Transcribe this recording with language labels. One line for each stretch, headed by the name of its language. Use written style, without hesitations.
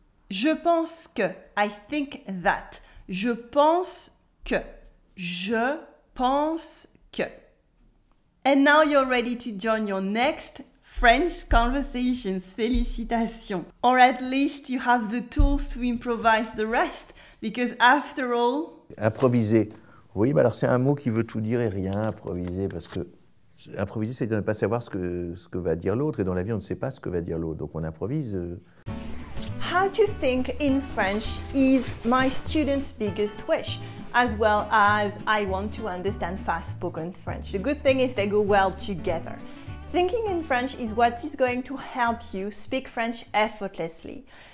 French: Je pense que.
English: I think that.
French: Je pense que. Je pense que.
English: And now you're ready to join your next French conversations.
French: Félicitations.
English: Or at least you have the tools to improvise the rest. Because after all...
French: Improviser. Oui, bah alors c'est un mot qui veut tout dire et rien, improviser. Parce que improviser, c'est de ne pas savoir ce que va dire l'autre. Et dans la vie, on ne sait pas ce que va dire l'autre. Donc on improvise.
English: How to think in French is my student's biggest wish. As well as I want to understand fast spoken French. The good thing is they go well together. Thinking in French is what is going to help you speak French effortlessly.